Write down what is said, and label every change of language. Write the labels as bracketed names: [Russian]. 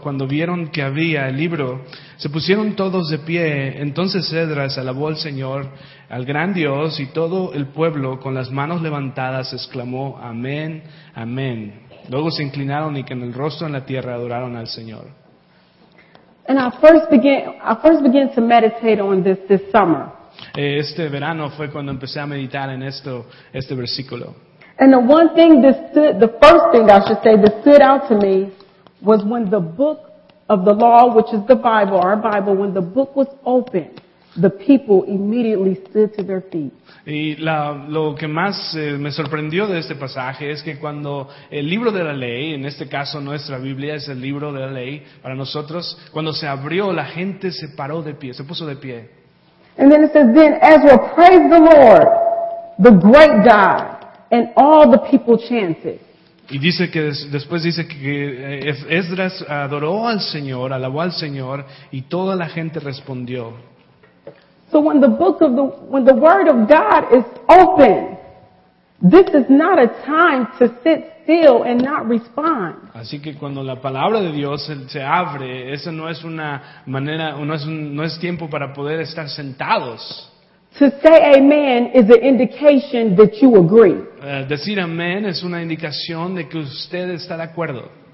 [Spanish] Cuando vieron que había el libro, se pusieron todos de pie. Entonces Ezra alabó al Señor, al gran Dios, y todo el pueblo con las manos levantadas exclamó, Amén, Amén. Luego se inclinaron y con el rostro en la tierra adoraron al Señor. [English] And I first began to meditate on this summer. [Spanish] Este verano fue cuando empecé a meditar en esto, este versículo. [English] And the one thing that stood, the first thing I should say that stood out to me was when the book of the law, which is the Bible, our Bible, when the book was opened, the people immediately stood to their feet. [Spanish] Y lo que más me sorprendió de este pasaje es que cuando el libro de la ley, en este caso nuestra Biblia es el libro de la ley para nosotros, cuando se abrió, la gente se paró de pie, se puso de pie. [English] And then it says, then Ezra praised the Lord, the great God, and all the people chanted. [Spanish] Y dice que después dice que Ezra adoró al Señor, alabó al Señor, y toda la gente respondió. [English] So when the book of the, when the word of God is open, this is not a time to sit still and not respond. [Spanish] Así que cuando la palabra de Dios se abre, eso no es una manera, no es tiempo para poder estar sentados. [English] To say amen is an indication that you agree. [Spanish] Decir amén es una indicación de que usted está de acuerdo.